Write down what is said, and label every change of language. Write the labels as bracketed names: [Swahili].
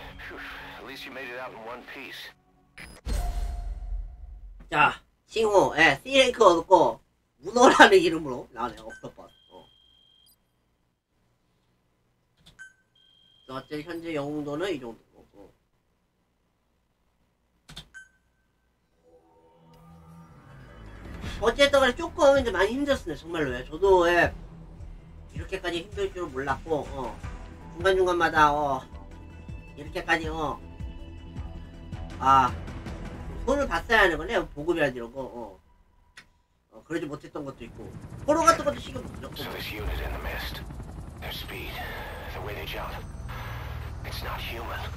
[English] Phew, at least you made it out in one piece. [Korean] 자, 싱호, 예, C랭크 얻고 문어라는 이름으로 나오네요. 옥토퍼스. 어. 어째 현재 영웅도는 이 정도. 어쨌든 간에 조금 이제 많이 힘들었습니다, 정말로. 예. 저도, 예, 이렇게까지 힘들 줄은 몰랐고, 어, 중간중간마다, 어, 이렇게까지, 어, 아, 손을 봤어야 하는 거네, 보급이라 이런 거, 어. 어, 그러지 못했던 것도 있고, 포로 같은 것도 지금 [English] 무조건. So this unit in the mist, their speed, the way they jump, it's not human.